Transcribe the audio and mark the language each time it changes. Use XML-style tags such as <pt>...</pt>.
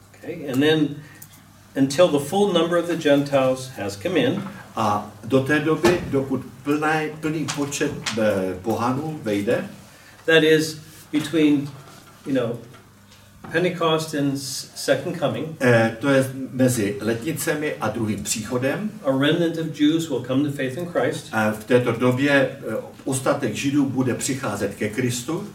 <en>Okay, and then until the full number of the Gentiles has come in.</en> <cs>A do té doby, dokud plný počet pohanů vejde.</cs> <en>That is between, you know, Pentecost and second coming.</en> <cs>To je mezi letnicemi a druhým příchodem.</cs> <en>A remnant of Jews will come to faith in Christ.</en> <cs>V této době ostatek Židů bude přicházet ke Kristu.</cs>